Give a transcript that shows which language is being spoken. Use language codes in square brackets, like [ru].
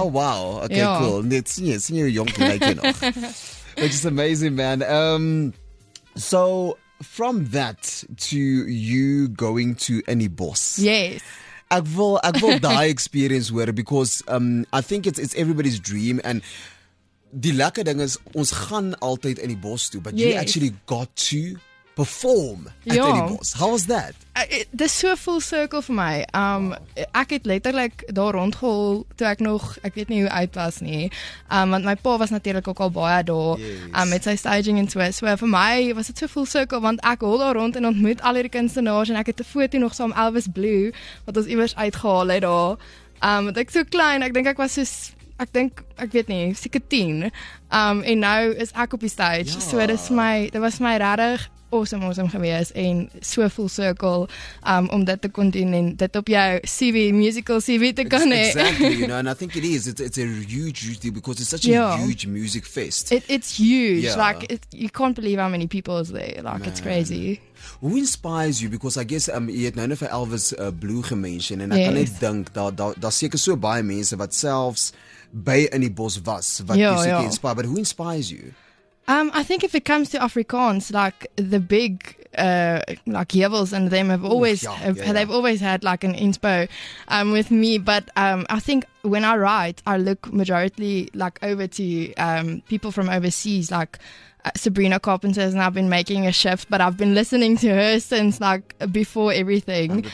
[en] Oh, wow. Okay, cool. It's senior young Canadian. Which is amazing, man. So, from that to you going to any boss. Yes. [af] Ek wil die experience hoor, [en] because I think it's everybody's dream. [af] And die lekker ding is, ons gaan altyd in die bos toe. [en] But you actually got to perform at any boss. How was that? [af] Dis so full circle vir my. Ek het letterlik daar rondgehol toe ek weet nie hoe oud was nie. Want my pa was natuurlik ook al baie daar met sy staging en so. So vir my was dit so full circle, want ek hol daar rond en ontmoet al hierdie kunstenaars en ek het 'n foto nog saam Elvis Blue wat ons iewers uitgehaal het daar. Want ek so klein, ek dink ek was seker 10. En nou is ek op die stage. Yeah. So dit was my regtig awesome gewees en so full circle om dit te kon doen en dit op jou CV, musical CV te kan hê. [en] Exactly, you know, and I think it is. It's a huge deal because it's such a huge music fest. It's huge. Yeah. Like, you can't believe how many people is there. Like, man, it's crazy. Who inspires you? Because I guess [af] jy het nou net vir Elvis Blue gemention en ek kan net dink daar seker so baie mense wat selfs by in die bos was wat jy seker inspire. [en] But who inspires you? I think if it comes to Afrikaans, like the big, like Jevels and them have always, they've always had like an inspo with me. But I think when I write, I look majority like over to people from overseas, like Sabrina Carpenter has now been making a shift, but I've been listening to her since like before everything.